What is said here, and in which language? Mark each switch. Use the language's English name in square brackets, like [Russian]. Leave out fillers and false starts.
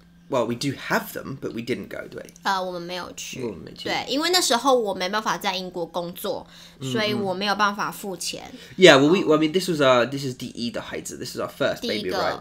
[English] Well, we do have them, but we didn't go, [Chinese] 对。我们没有去。对，因为那时候我没办法在英国工作，所以我没有办法付钱。 [English] Yeah, well, I mean, this is [Chinese] 第一的孩子， [English] this is our first baby, right?